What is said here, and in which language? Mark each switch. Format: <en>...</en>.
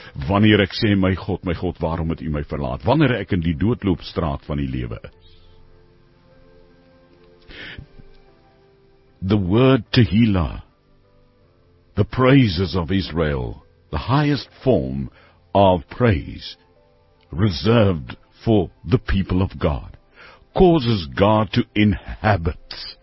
<af>Wanneer ek sê, my God, waarom het U my verlaat? Wanneer ek in die doodloopstraat van die lewe is?</af> <en>The word Tehilla, the praises of Israel, the highest form of praise reserved for the people of God, causes God to inhabit.</en>